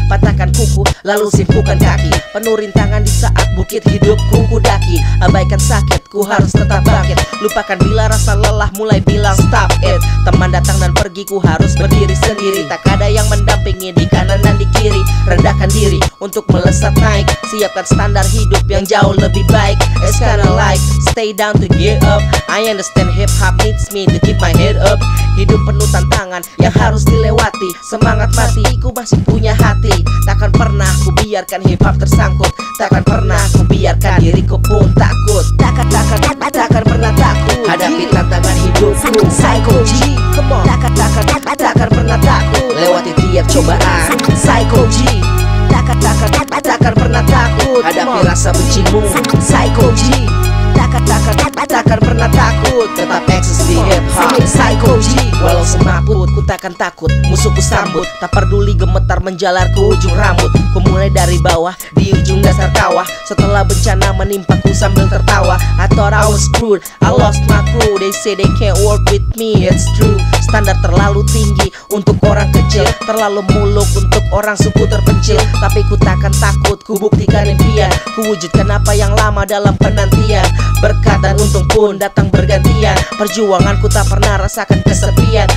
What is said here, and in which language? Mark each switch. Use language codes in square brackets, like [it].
[id] Patahkan kuku, lalu sibukkan kaki. Penuh rintangan di saat bukit hidupku kudaki. Abaikan sakit, ku harus tetap bangkit. Lupakan bila rasa lelah, mulai bilang [en] stop it. [id] Teman datang dan pergi, ku harus berdiri sendiri. Tak ada yang mendampingi di kanan dan di kiri. Rendahkan diri untuk melesat naik. Siapkan standar hidup yang jauh lebih baik. [en] It's kinda like stay down to get up. I understand hip hop needs me to keep my head up. [id] Hidup penuh tantangan yang harus dilewati. Semangat mati, ku masih punya hati. Takkan pernah ku biarkan hip hop tersangkut. Takkan pernah ku biarkan diriku pun takut. Takkan pernah takut hadapi tantangan hidupku. [en] Psycho G, come on. [id] Takkan pernah takut lewati tiap cobaan. Psycho G, takkan pernah takut hadapi rasa bencimu. Psycho G, takkan pernah takut tetap eksis di hip hop. Psycho G, walau semaput ku takkan takut, musuhku sambut. Tak peduli gemetar menjalar ke ujung rambut. Ku mulai dari bawah, di ujung dasar kawah. Setelah bencana menimpa ku sambil tertawa. [en] I thought I was screwed, I lost my crew. They say they can't work with me, it's true. [id] Standar terlalu tinggi untuk orang kecil. Terlalu muluk untuk orang suku terpencil. Tapi ku takkan takut, ku buktikan impian. Ku wujudkan apa yang lama dalam penantian. Berkat dan untung pun datang bergantian. Perjuanganku tak pernah rasakan kesepian.